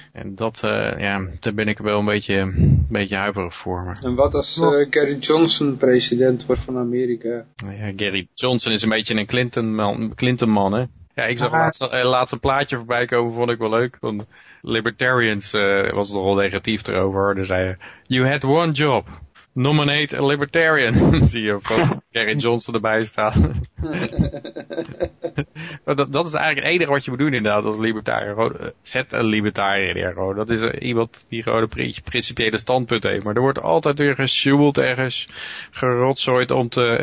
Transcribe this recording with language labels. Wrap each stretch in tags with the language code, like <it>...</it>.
<nl>En dat, daar ben ik wel een beetje huiverig voor. Maar. En wat als Gary Johnson president wordt van Amerika? Ja, Gary Johnson is een beetje een Clinton-man, hè? Ja, ik zag laatst een plaatje voorbij komen, vond ik wel leuk. Want libertarians was er al negatief erover. Ze zeiden,</nl> <en>you had one job, nominate a libertarian.</en> <nl>Zie je, van Gary Johnson erbij staan. Dat is eigenlijk het enige wat je moet doen inderdaad als libertariër. Zet een libertariër neer. Dat is iemand die gewoon een principiële standpunt heeft. Maar er wordt altijd weer gesjoemeld ergens, gerotzooid om te...</nl>